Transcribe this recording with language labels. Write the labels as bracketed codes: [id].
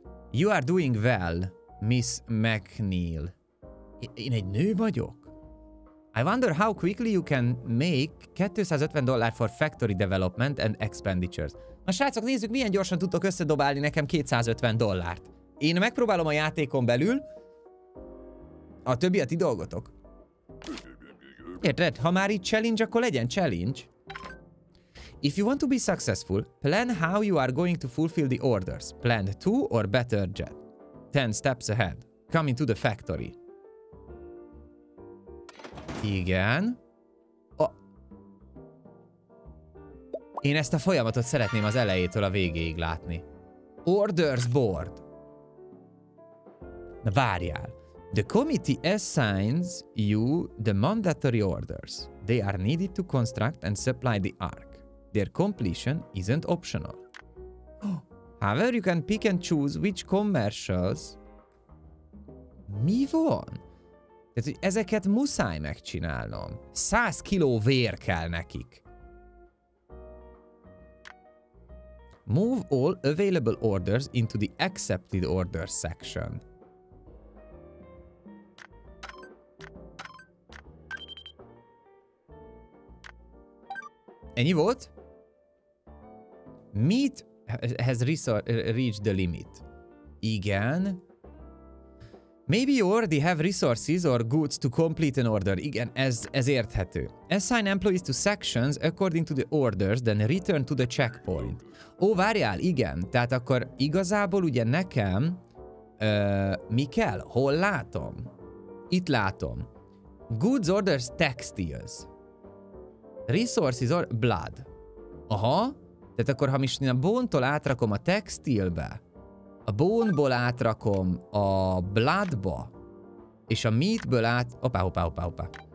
[en] You are doing well, Miss McNeil. [hu] Én egy nő vagyok? [en] I wonder how quickly you can make $250 for factory development and expenditures. [hu] Na srácok, nézzük, milyen gyorsan tudtok összedobálni nekem $250. Én megpróbálom a játékon belül, a többi a ti dolgotok. Érted? Ha már itt challenge, akkor legyen challenge. [en] If you want to be successful, plan how you are going to fulfill the orders. Plan two or better jet. 10 steps ahead. Come into the factory. [hu] Igen. Én ezt a folyamatot szeretném az elejétől a végéig látni. Orders board. Na várjál. [en] The committee assigns you the mandatory orders. They are needed to construct and supply the ark. Their completion isn't optional. However, you can pick and choose which commercials... [hu] Mi van? Tehát, hogy ezeket muszáj megcsinálnom. 100 kiló vér kell nekik. [en] Move all available orders into the accepted order section. [hu] Ennyi volt? [en] Meat has reached the limit. [hu] Igen. [en] Maybe you already have resources or goods to complete an order. [hu] Igen, ez érthető. [en] Assign employees to sections according to the orders, then return to the checkpoint. [hu] Ó, várjál, igen. Tehát akkor igazából ugye nekem... mi kell? Hol látom? Itt látom. [en] Goods, orders, textiles. Resources or blood. Aha. [hu] Tehát akkor ha most a bone-tól átrakom a textilbe, a bone-ból átrakom a blood-ba, és a meat-ből át... Hoppá.